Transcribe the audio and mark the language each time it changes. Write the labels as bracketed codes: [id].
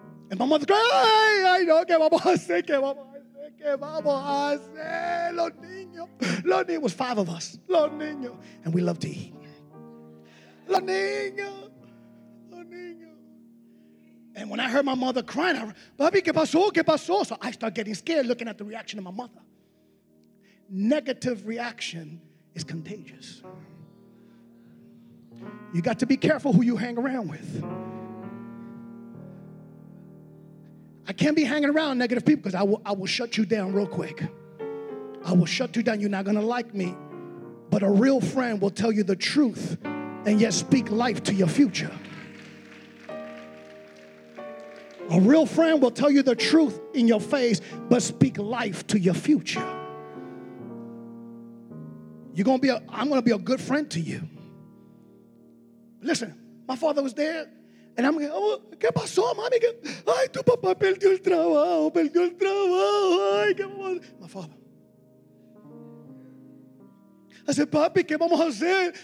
[en] And my mother cried, I know, [es] que vamos a hacer, que vamos a hacer, que vamos a hacer, los niños. Los niños, [en] it was five of us, [es] los niños. [en] And we love to eat. [es] Los niños, los niños. [en] And when I heard my mother crying, I, Bobby, [es] ¿qué pasó? ¿Qué pasó? [en] So I start getting scared looking at the reaction of my mother. Negative reaction is contagious. You got to be careful who you hang around with. I can't be hanging around negative people because I will shut you down real quick. I will shut you down. You're not going to like me. But a real friend will tell you the truth and yet speak life to your future. A real friend will tell you the truth in your face but speak life to your future. You're going to be I'm going to be a good friend to you. Listen, my father was there. And I'm like, oh, [es] ¿qué pasó, mami? Ay, tu papá perdió el trabajo, perdió el trabajo. Ay, ¿qué pasó? [en] My father. I said, [es] papi, ¿qué vamos a hacer?